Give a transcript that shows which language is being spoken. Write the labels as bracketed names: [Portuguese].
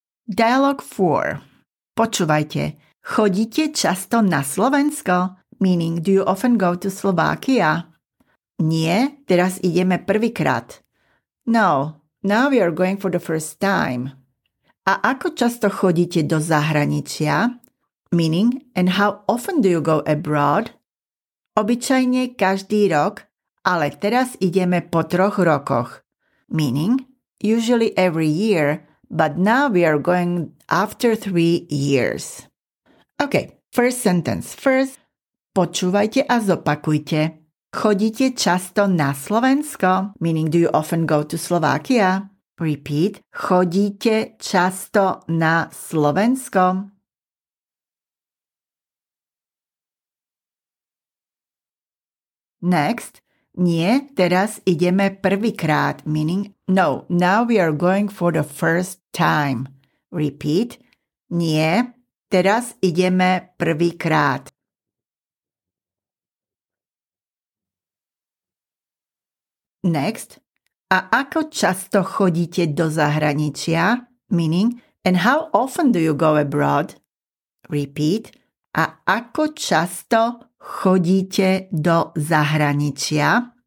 [English] Dialogue 4. [Slovak] Počúvajte, chodíte často na Slovensko? [English] Meaning, do you often go to Slovakia? [Slovak] Nie, teraz ideme prvýkrát. [English] No, now we are going for the first time. [Slovak] A ako často chodíte do zahraničia? [English] Meaning, and how often do you go abroad? [Slovak] Obyčajne každý rok, ale teraz ideme po troch rokoch. [English] Meaning, usually every year, but now we are going after 3 years. Okay, first sentence. First, [Slovak] počúvajte a zopakujte. Chodíte často na Slovensko? [English] Meaning, do you often go to Slovakia? Repeat. [Slovak] Chodíte často na Slovensko? [English] Next. [Slovak] Nie, teraz ideme prvýkrát. [English] Meaning, no, now we are going for the first time. Repeat. [Slovak] Nie, teraz ideme prvýkrát. [English] Next. [Slovak] A ako často chodíte do zahraničia? [English] Meaning, and how often do you go abroad? Repeat. [Slovak] A ako často chodíte do zahraničia?